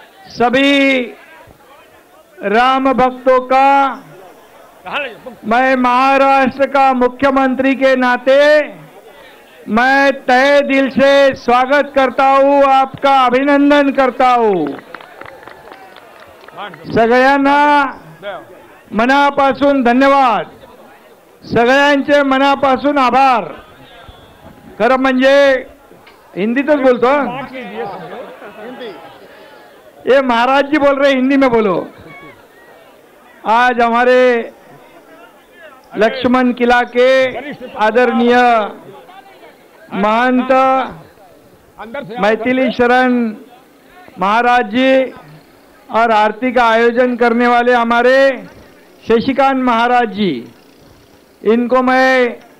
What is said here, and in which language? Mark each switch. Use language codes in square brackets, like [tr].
[hi] सभी राम भक्तों का मैं महाराष्ट्र का मुख्यमंत्री के नाते मैं तहे दिल से स्वागत करता हूँ, आपका अभिनंदन करता हूँ। [mr] सगळ्यांना मनापासून धन्यवाद, सगळ्यांचे मनापासून आभार। खरं म्हणजे हिंदी तो बोलतो, [hi] ये महाराज जी बोल रहे, हिंदी में बोलो। आज हमारे लक्ष्मण किला के आदरणीय महंत मैथिली शरण महाराज जी और आरती का आयोजन करने वाले हमारे शशिकांत महाराज जी, इनको मैं,